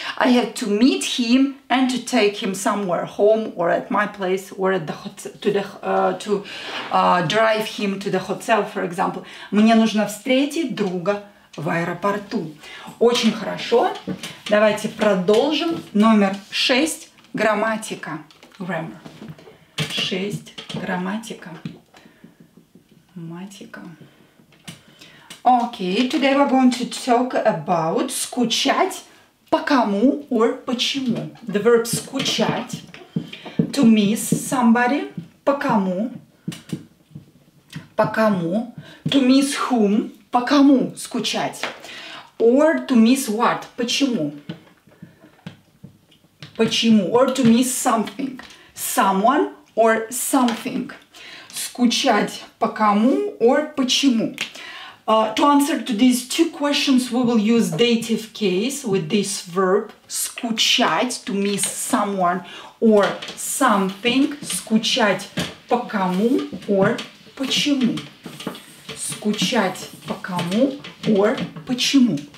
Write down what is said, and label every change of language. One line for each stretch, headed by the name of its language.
English: I have to meet him and to take him somewhere home or at my place or at the hotel, drive him to the hotel, for example.
Russian: Мне нужно встретить друга в аэропорту. Очень хорошо. Давайте продолжим. Номер 6. Грамматика. Grammar. 6. Грамматика. Грамматика.
English: Okay, today we're going to talk about
Russian: скучать по кому
English: or
Russian: почему.
English: The verb скучать, to miss somebody,
Russian: по кому,
English: to miss whom,
Russian: по кому скучать,
English: or to miss what,
Russian: почему, почему,
English: or to miss something, someone or something.
Russian: Скучать по кому or почему.
English: To answer to these two questions, we will use dative case with this verb скучать, to miss someone or something.
Russian: Скучать по кому or почему. Скучать по кому or почему.